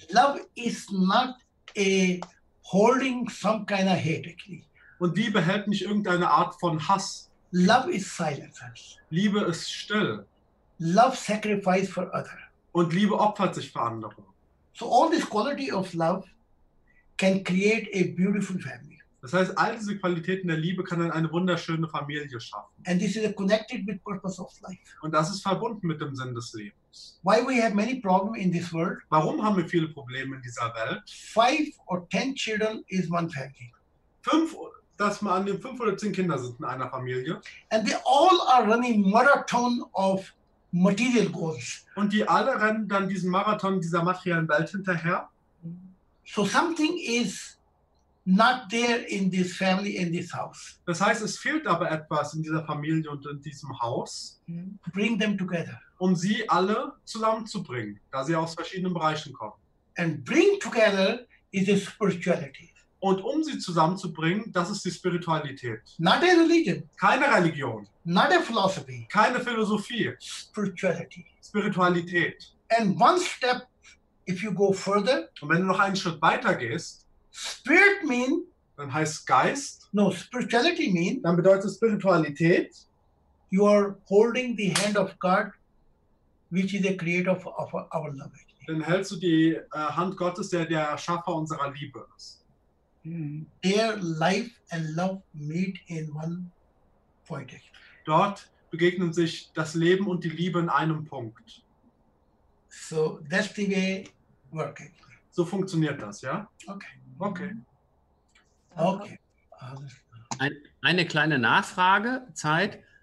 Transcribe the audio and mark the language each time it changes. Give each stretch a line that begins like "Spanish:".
English: Love is not a holding some kind of hate.
German: Und Liebe hält nicht irgendeine Art von Hass.
English: Love is silence.
German: Liebe ist still.
English: Love sacrifice for other.
German: Und Liebe opfert sich für andere.
English: So all this quality of love can create a beautiful family.
German: Das heißt, all diese Qualitäten der Liebe kann dann eine wunderschöne Familie schaffen.
English: And this is connected with purpose of life.
German: Und das ist verbunden mit dem Sinn des Lebens.
English: Why we have many problems in this world?
German: Warum haben wir viele Probleme in dieser Welt?
English: Five or ten children is one family.
German: Fünf oder zehn Kinder sind in einer Familie.
English: And they all are running marathon of material goals.
German: Und die alle rennen dann diesen Marathon dieser materiellen Welt hinterher.
English: So something is not there in this family, in this house.
German: Das heißt, es fehlt aber etwas in dieser Familie und in diesem Haus.
English: Bring them together.
German: Um sie alle zusammenzubringen, da sie aus verschiedenen Bereichen kommen.
English: And bring together is the spirituality.
German: Und um sie zusammenzubringen, das ist die Spiritualität.
English: Not a religion.
German: Keine Religion.
English: Not a philosophy.
German: Keine Philosophie.
English: Spirituality.
German: Spiritualität.
English: And one step, if you go further.
German: Und wenn du noch einen Schritt weiter gehst.
English: Spirit mean.
German: Dann heißt Geist.
English: No, spirituality mean.
German: Dann bedeutet Spiritualität.
English: You are holding the hand of God, which is the creator of our love.
German: Dann hältst du die Hand Gottes, der der Schaffer unserer Liebe ist.
English: Their life and love meet in one point.
German: Dort begegnen sich das Leben und die Liebe in einem Punkt.
English: So that's the way working.
German: So funktioniert das, ja?
English: Okay. Okay. Okay.
German: Eine kleine Nachfragezeit.